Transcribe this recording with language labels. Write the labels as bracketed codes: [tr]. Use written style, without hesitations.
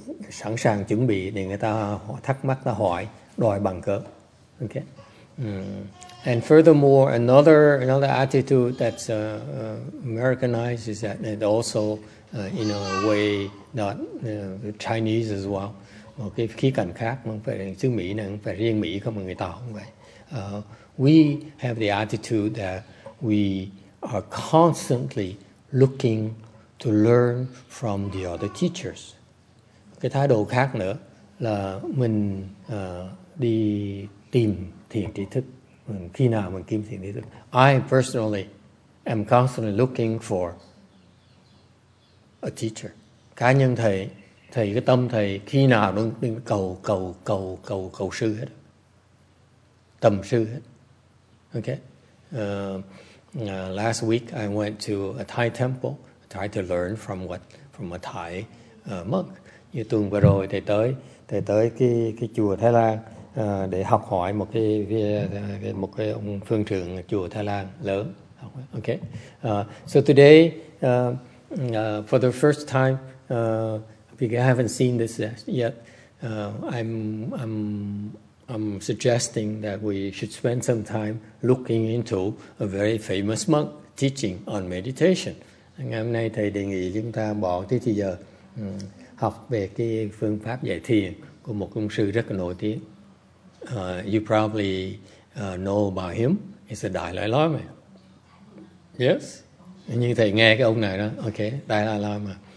[vi] Sẵn sàng chuẩn bị để người ta thắc mắc, ta hỏi, đòi bằng cớ. [en] Okay. And furthermore, another attitude that's Americanized is that it also, in a way, not Chinese as well. [vi] Một cái khía cạnh khác, không phải xứ Mỹ này, không phải riêng Mỹ, không phải người Tàu không vậy. [en] We have the attitude that we are constantly looking to learn from the other teachers. [vi] Cái thái độ khác nữa là mình đi tìm thiền trí thức. Khi nào mình kiếm thiền trí thức? [en] I personally am constantly looking for a teacher. [vi] Cá nhân thầy cái tâm thầy khi nào cũng cầu sư hết. Tầm sư hết. [en] Okay. Last week I went to a Thai temple. Try to learn from a Thai monk. [vi] Như tuần vừa rồi thầy tới cái chùa Thái Lan để học hỏi một cái ông phương trưởng chùa Thái Lan lớn. [en] Okay. So today, for the first time, because I haven't seen this yet, I'm suggesting that we should spend some time looking into a very famous monk teaching on meditation. [vi] Ngày hôm nay thầy đề nghị chúng ta bỏ tí thời giờ học về cái phương pháp dạy thiền của một ông sư rất là nổi tiếng. [en] You probably know about him. He's a Dalai Lama. Yes. [vi] Như thầy nghe cái ông này đó, okay, Dalai Lama.